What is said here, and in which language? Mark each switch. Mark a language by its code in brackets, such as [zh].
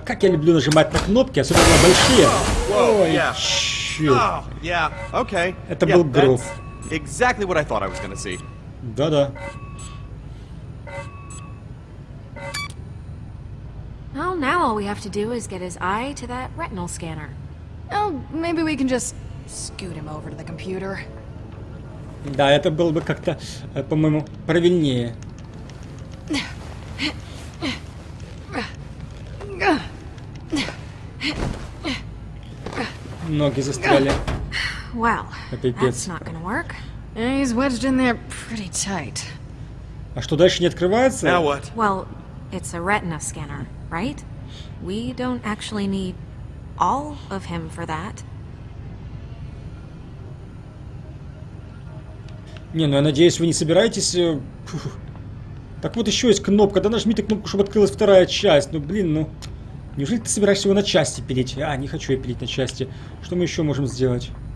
[ru] Как я люблю нажимать на кнопки, особенно большие. Ой, черт. Это был гроб. [en] Exactly what I thought I was gonna see. [ru] Да-да. [en] Well, now all we have to do is get his eye to that retinal scanner. Well, maybe we can just scoot him over to the computer. [ru] Да, это было бы как-то, по-моему, правильнее. Ноги застряли. [en] Well, that's not gonna work. He's wedged in there pretty tight. [ru] А что дальше не открывается? [en] Now what? Well, it's a retina scanner, right? We don't actually need all of him for that. [ru] Не, ну я надеюсь, вы не собираетесь. Так вот еще есть кнопка. Да нажмите кнопку, чтобы открылась вторая часть. Ну блин, ну. Неужели ты собираешься его на части пилить? А, не хочу я пилить на части. Что мы еще можем сделать?